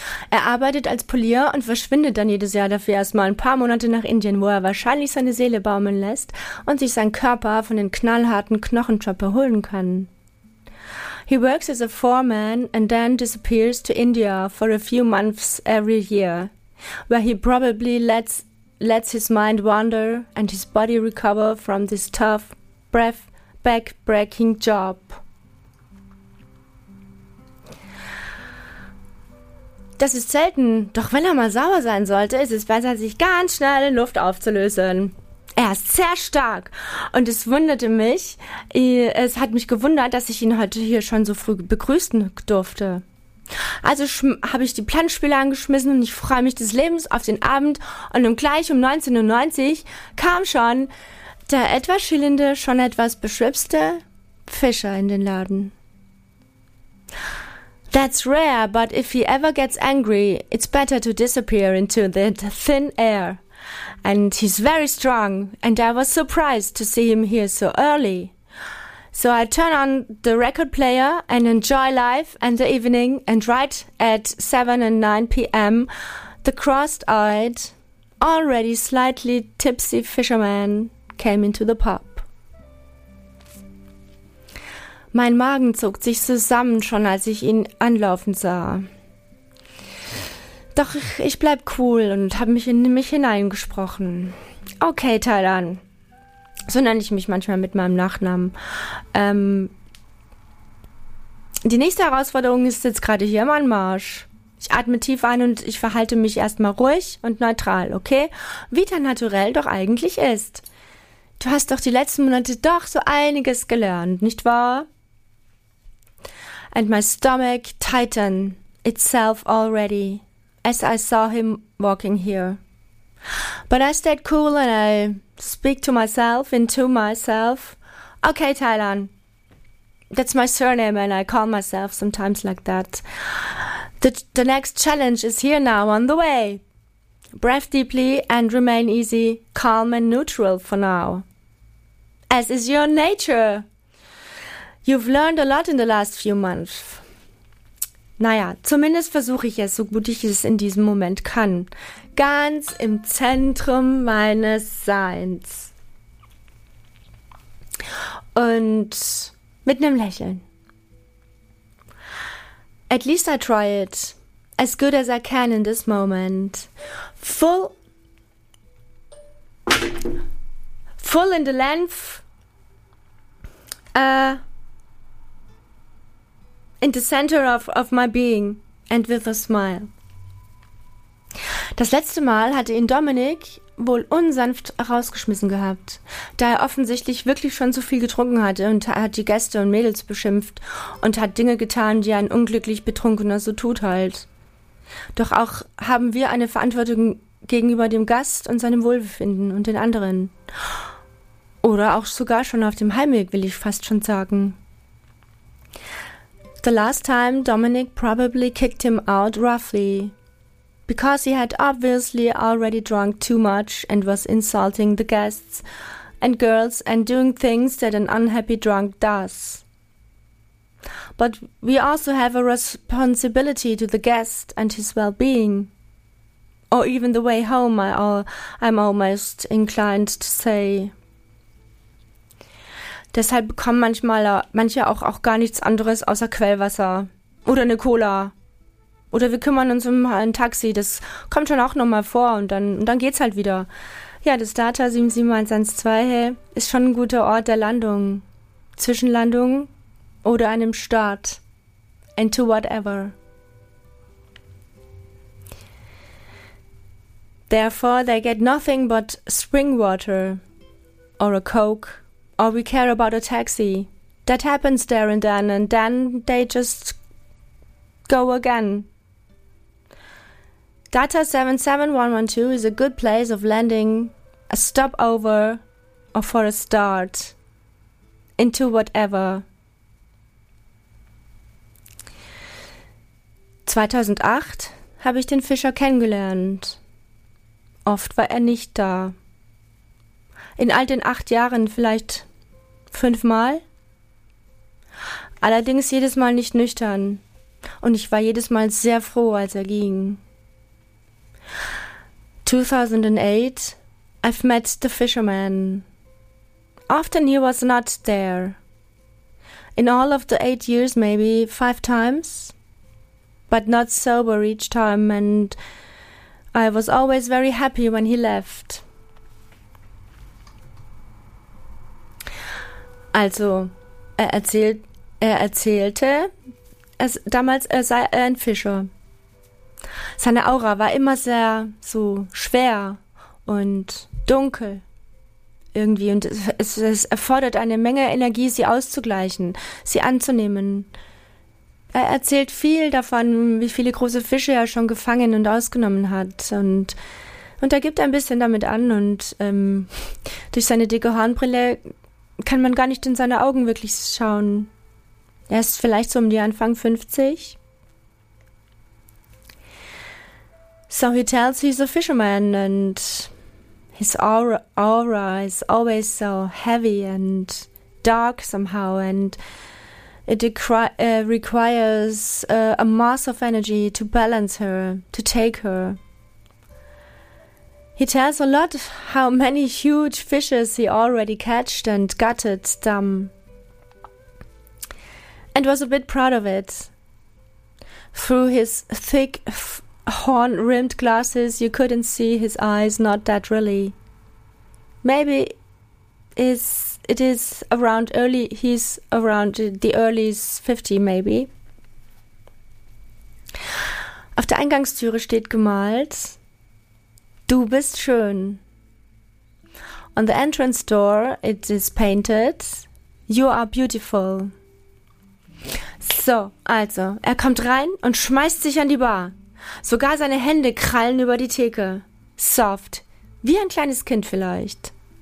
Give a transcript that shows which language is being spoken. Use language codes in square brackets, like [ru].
[de] Er arbeitet als Polier und verschwindet dann jedes Jahr dafür erstmal ein paar Monate nach Indien, wo er wahrscheinlich seine Seele baumeln lässt und sich sein Körper von den knallharten Knochenjobs erholen kann. [en] He works as a foreman and then disappears to India for a few months every year, where he probably lets his mind wander and his body recover from this tough, back-breaking job. [de] Das ist selten, doch wenn er mal sauer sein sollte, ist es besser, sich ganz schnell in Luft aufzulösen. Er ist sehr stark und es hat mich gewundert, dass ich ihn heute hier schon so früh begrüßen durfte. Also habe ich die Planspiele angeschmissen und ich freue mich des Lebens auf den Abend und gleich um 19.90 Uhr kam schon der etwas schillende, schon etwas beschwipste Fischer in den Laden. [en] That's rare, but if he ever gets angry, it's better to disappear into the thin air. And he's very strong, and I was surprised to see him here so early. So I turn on the record player and enjoy life and the evening, and right at 7 and 9 p.m., the crossed-eyed, already slightly tipsy fisherman came into the pub. [de] Mein Magen zog sich zusammen, schon als ich ihn anlaufen sah. Doch ich bleib cool und habe mich in mich hineingesprochen. Okay, Thailand. So nenne ich mich manchmal mit meinem Nachnamen. Die nächste Herausforderung ist jetzt gerade hier im Anmarsch. Ich atme tief ein und ich verhalte mich erstmal ruhig und neutral, okay? Wie dein Naturell doch eigentlich ist. Du hast doch die letzten Monate doch so einiges gelernt, nicht wahr? [en] And my stomach tightened itself already as I saw him walking here. But I stayed cool and I speak to myself and to myself. Okay, Thailan, that's my surname and I call myself sometimes like that. The next challenge is here now on the way. Breathe deeply and remain easy, calm and neutral for now. As is your nature. You've learned a lot in the last few months. [de] Naja, zumindest versuche ich es, so gut ich es in diesem Moment kann. Ganz im Zentrum meines Seins. Und mit einem Lächeln. [en] At least I try it. As good as I can in this moment. Full in the length. In the center of my being and with a smile. [de] Das letzte Mal hatte ihn Dominik wohl unsanft rausgeschmissen gehabt, da er offensichtlich wirklich schon zu viel getrunken hatte und hat die Gäste und Mädels beschimpft und hat Dinge getan, die ein unglücklich Betrunkener so tut halt. Doch auch haben wir eine Verantwortung gegenüber dem Gast und seinem Wohlbefinden und den anderen. Oder auch sogar schon auf dem Heimweg, will ich fast schon sagen. [en] The last time Dominic probably kicked him out roughly. Because he had obviously already drunk too much and was insulting the guests and girls and doing things that an unhappy drunk does. But we also have a responsibility to the guest and his well-being. Or even the way home, I'm almost inclined to say. [de] Deshalb bekommen manche auch gar nichts anderes außer Quellwasser oder eine Cola. Oder wir kümmern uns um ein Taxi, das kommt schon auch nochmal vor und dann geht's halt wieder. Ja, das Data 77112 ist schon ein guter Ort der Landung. Zwischenlandung oder einem Start. [en] Into whatever. Therefore they get nothing but spring water. Or a Coke. Or we care about a taxi. That happens there and then they just go again. Data 77112 is a good place of landing, a stopover, or for a start, into whatever. [de] 2008 habe ich den Fischer kennengelernt. Oft war er nicht da. In all den 8 Jahren vielleicht 5 Mal. Allerdings jedes Mal nicht nüchtern. Und ich war jedes Mal sehr froh, als er ging. [en] 2008, I've met the fisherman. Often he was not there. In all of the 8 years, maybe 5 times. But not sober each time, and I was always very happy when he left. [de] Also, er erzählte, es damals, er sei ein Fischer. Seine Aura war immer sehr so schwer und dunkel irgendwie und es erfordert eine Menge Energie, sie auszugleichen, sie anzunehmen. Er erzählt viel davon, wie viele große Fische er schon gefangen und ausgenommen hat und er gibt ein bisschen damit an und durch seine dicke Hornbrille kann man gar nicht in seine Augen wirklich schauen. Er ist vielleicht so um die Anfang 50. [en] So he tells he's a fisherman and his aura is always so heavy and dark somehow and it requires a mass of energy to balance her, to take her. He tells a lot how many huge fishes he already catched and gutted them and was a bit proud of it. Through his thick horn-rimmed glasses, you couldn't see his eyes, not that really. Maybe he's around the early 50s, maybe. [de] Auf der Eingangstüre steht gemalt, du bist schön. [en] On the entrance door, it is painted, you are beautiful. [de] So, also, er kommt rein und schmeißt sich an die Bar. Sogar seine Hände krallen über die Theke. Soft. Wie ein kleines Kind vielleicht.